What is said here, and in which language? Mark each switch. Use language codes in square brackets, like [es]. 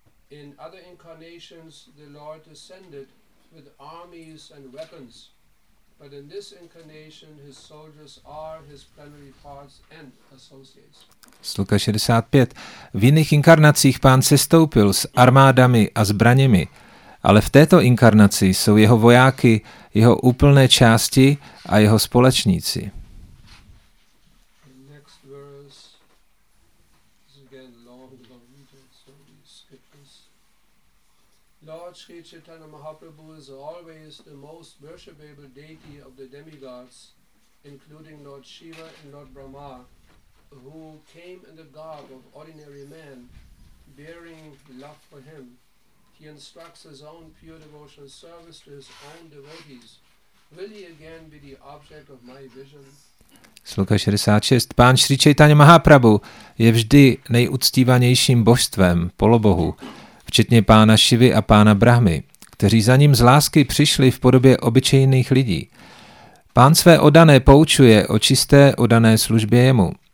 [en] In other incarnations, the Lord descended with armies and weapons, but in this incarnation, his soldiers are his plenary parts and associates. [cs] Sloka 65. V jiných inkarnacích pán sestoupil s armádami a zbraněmi, ale v této inkarnaci jsou jeho vojáky, jeho úplné části a jeho společníci. [en] Next verse. again long, long details, so we skip this. Lord Sri Chaitanya Mahaprabhu is always the most worshipable deity of the demigods, including Lord Shiva and Lord Brahma, who came in the garb of ordinary men, bearing love for him. He instructs his own pure devotional service to his own devotees. Will he again be the object of my vision? [cs] Sloka 66. Pán Sri Chaitanya Mahaprabhu je vždy nejuctívanějším božstvem, polobohu, včetně pána Šivy a pána Brahmy, kteří za ním z lásky přišli v podobě obyčejných lidí. Pán své oddané poučuje o čisté oddané službě jemu.